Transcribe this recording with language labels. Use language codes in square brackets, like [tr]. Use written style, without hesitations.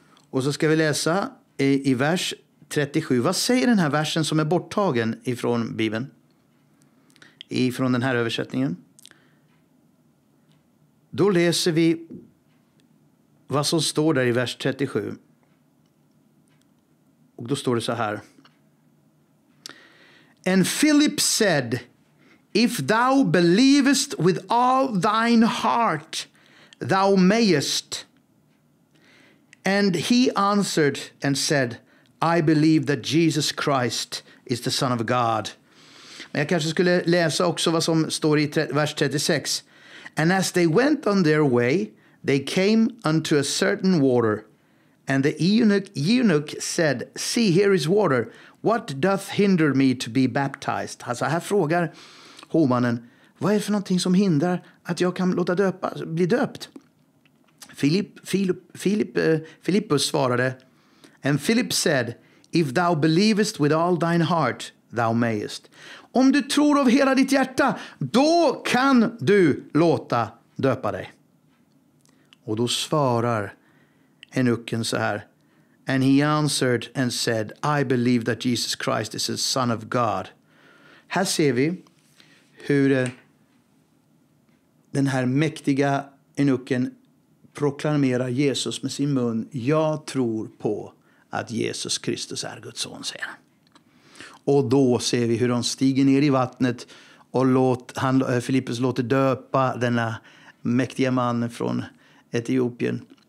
[sv] Och så ska vi läsa i vers 37. Vad säger den här versen som är borttagen ifrån Bibeln? Ifrån den här översättningen. Då läser vi vad som står där i vers 37. Och då står det så här. [en] And Philip said, if thou believest with all thine heart, thou mayest. And he answered and said, I believe that Jesus Christ is the Son of God. [sv] Men jag kanske skulle läsa också vad som står i vers 36. [en] And as they went on their way, they came unto a certain water. And the eunuch said, see, here is water. What doth hinder me to be baptized? [sv] Alltså här frågar homannen, vad är det för någonting som hindrar att jag kan låta bli döpt? Filippus svarade, [en] and Philip said, if thou believest with all thine heart, thou mayest. [sv] Om du tror av hela ditt hjärta, då kan du låta döpa dig. Och då svarar eunuchen så här, [en] and he answered and said, I believe that Jesus Christ is the Son of God. [sv] Här ser vi hur den här mäktiga eunuchen proklamerar Jesus med sin mun. Jag tror på att Jesus Kristus är Guds son, säger han. Och då ser vi hur de stiger ner i vattnet och Filippus låter döpa denna mäktiga man från Etiopien.